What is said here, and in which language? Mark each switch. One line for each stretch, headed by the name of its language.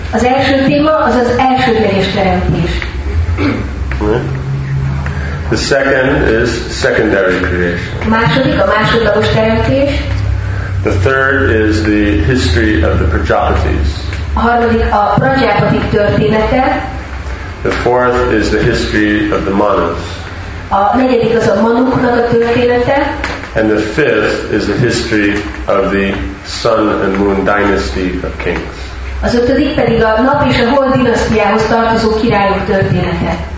Hungarian: Az első téma az az elsődleges teremtés.
English: The second is secondary creation.
Hungarian: A második a másodlagos teremtés.
English: The third is the history of the Prajapatis.
Hungarian: A harmadik a Prajapati története.
English: The fourth is the history of the Manus.
Hungarian: A negyedik az a Manuknak a története.
English: And the fifth is the history of the Sun and Moon dynasty of kings.
Hungarian: Az ötödik pedig a Nap és a Hold dinasztiához tartozó királyok története.